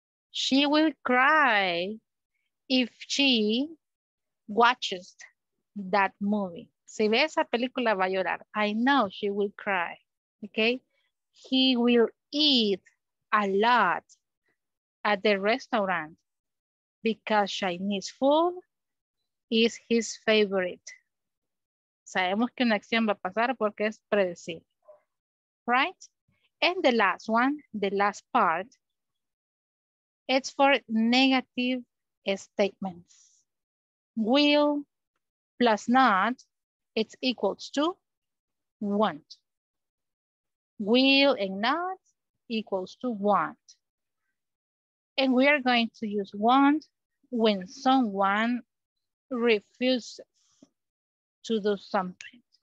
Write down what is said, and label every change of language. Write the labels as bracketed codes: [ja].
[en] She will cry if she watches that movie. [es] Si ve esa película va a llorar. [en] I know she will cry. Okay. He will eat a lot at the restaurant because Chinese food is his favorite. [es] Sabemos que una acción va a pasar porque es predecible. Right? [en] And the last one, the last part, it's for negative statements. Will plus not, it's equals to want. Will and not equals to want. And we are going to use want when someone refuses to do something.